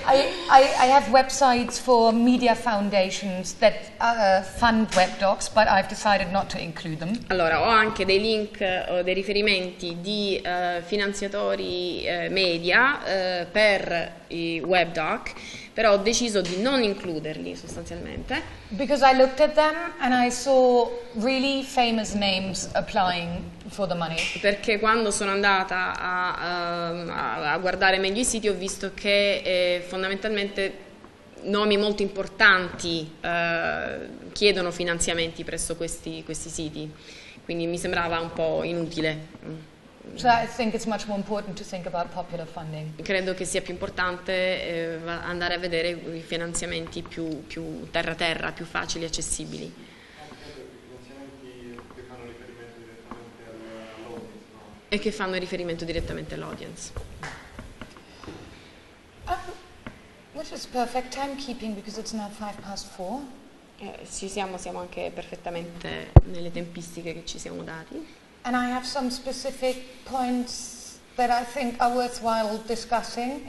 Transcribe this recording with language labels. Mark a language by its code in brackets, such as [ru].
[en] I have websites for media foundations that fund webdocs, but I've decided not to include them. [it] Allora, ho anche dei link o dei riferimenti di finanziatori media per i webdoc, però ho deciso di non includerli sostanzialmente. [en] Because I looked at them and I saw really famous names applying for the money. [it] Perché quando sono andata a guardare meglio i siti ho visto che fondamentalmente nomi molto importanti chiedono finanziamenti presso questi siti, quindi mi sembrava un po' inutile. [en] So I think it's much more important to think about popular funding. [it] Credo che sia più importante andare a vedere i finanziamenti più terra terra, più facili, accessibili. E che fanno riferimento direttamente all'audience. [en] Which is perfect timekeeping because it's now 4:05. [it] Siamo anche perfettamente nelle tempistiche che ci siamo dati. [en] And I have some specific points that I think are worthwhile discussing.